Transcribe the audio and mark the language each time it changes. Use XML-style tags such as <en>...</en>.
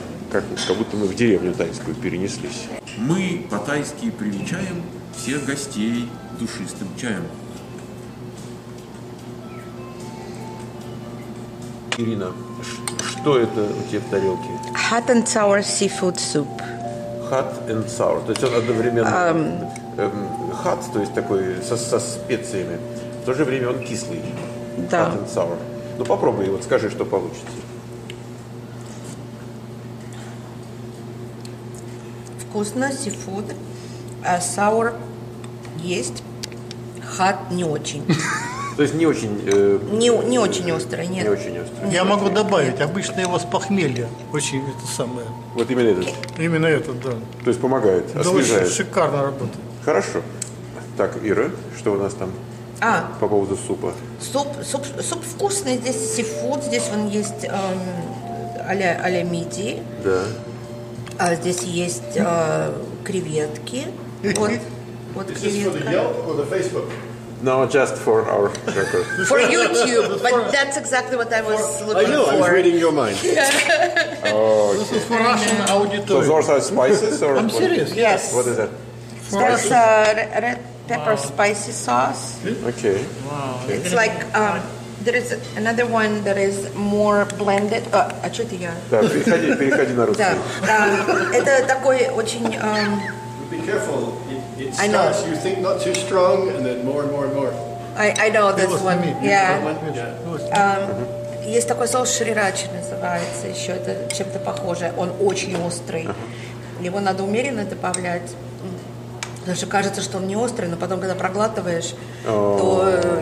<ru>Как будто мы в деревню тайскую перенеслись. Мы по-тайски привечаем всех гостей душистым чаем. Ирина, что это у тебя в тарелке?</ru> <en>Hot and sour seafood soup. Hot and sour.</en> <ru>То есть он одновременно... Hot, то есть такой со специями. В то же время он кислый. Да.</ru> <en>Hot and sour.</en> <ru>Ну попробуй, вот скажи, что получится. Вкусно, seafood. Sour есть. Hot не очень. То есть не очень... Не очень острый, нет. Не очень острый. Я могу добавить, обычно его с похмелья. Очень это самое. Вот именно этот? Именно этот, да. То есть помогает, освежает. Да, очень шикарно работает. Хорошо. Так, Ира, что у нас там по поводу супа? Суп вкусный, здесь seafood. Здесь он есть а-ля мидии. Да. А здесь есть креветки. Вот</ru> <en>is креветка. No, just for our record. For YouTube, but that's exactly what I was looking for. I know, I was reading your mind. Okay. This is for Russian auditorium. So those are spices? Or I'm serious. Yes. What is that? There's a red pepper spicy sauce. Okay. Wow. It's like... There is another one that is more blended.</en> <ru>А что это я? Да, переходи на русский. Да, это такой очень...</ru> <en>Be careful. It starts, you think not too strong, and then more and more and more. I know this one. Yeah.</en> <ru>Есть такой соус шрирачи называется, еще это чем-то похоже. Он очень острый. Его надо умеренно добавлять. Потому что кажется, что он не острый, но потом, когда проглатываешь, то...</ru>